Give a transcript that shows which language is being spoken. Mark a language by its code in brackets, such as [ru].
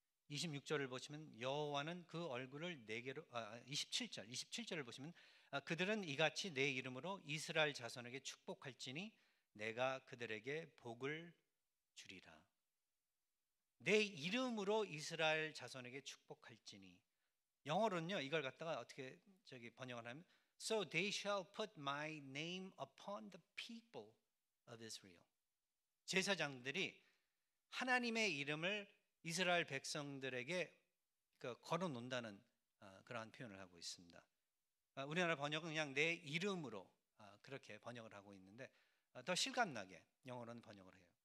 [ko] 26절을 보시면 여호와는 그 얼굴을 내게로 27절을 보시면 그들은 이같이 내 이름으로 이스라엘 자손에게 축복할지니 내가 그들에게 복을 주리라. 내 이름으로 이스라엘 자손에게 축복할지니. 영어로는요 이걸 갖다가 어떻게 저기 번역을 하면 [en] So they shall put my name upon the people of Israel. [ko] 제사장들이 하나님의 이름을 이스라엘 백성들에게 걸어놓는다는 그러한 표현을 하고 있습니다. 우리나라 번역은 그냥 내 이름으로 그렇게 번역을 하고 있는데 더 실감나게 영어로는 번역을 해요.